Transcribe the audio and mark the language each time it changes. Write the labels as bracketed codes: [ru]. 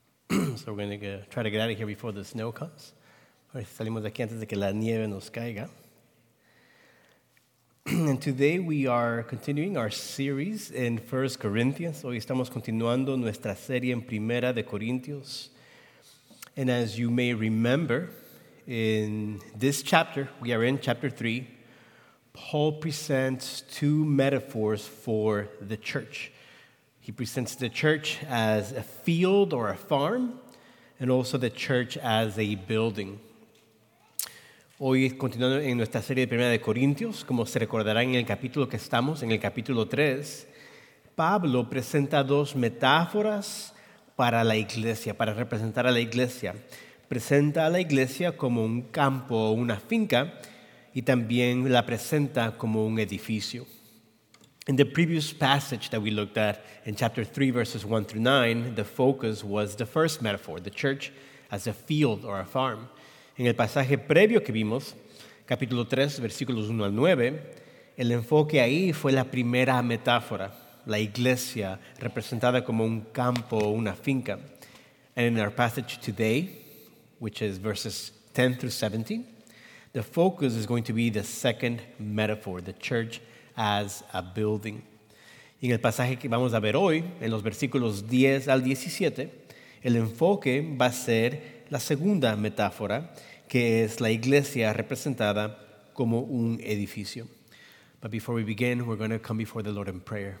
[en] So we're going to try to get out of here before the snow comes. [es] Salimos de aquí antes de que la nieve nos caiga. [en] And today we are continuing our series in 1 Corinthians. [es] Hoy estamos continuando nuestra serie en Primera de Corintios. [en] And as you may remember, in this chapter, we are in chapter 3, Paul presents two metaphors for the church. He presents the church as a field or a farm, and also the church as a building. [es] Hoy, continuando en nuestra serie de Primera de Corintios, como se recordarán en el capítulo que estamos, en el capítulo 3, Pablo presenta dos metáforas para la iglesia, para representar a la iglesia. Presenta a la iglesia como un campo o una finca, y también la presenta como un edificio. [en] In the previous passage that we looked at in chapter 3, verses 1 through 9, the focus was the first metaphor, the church as a field or a farm. [es] En el pasaje previo que vimos, capítulo 3, versículos 1 al 9, el enfoque ahí fue la primera metáfora, la iglesia representada como un campo o una finca. [en] And in our passage today, which is verses 10 through 17, the focus is going to be the second metaphor, the church as a building. [es] Y en el pasaje que vamos a ver hoy, en los versículos 10 al 17, el enfoque va a ser la segunda metáfora, que es la iglesia representada como un edificio. [en] But before we begin, we're going to come before the Lord in prayer.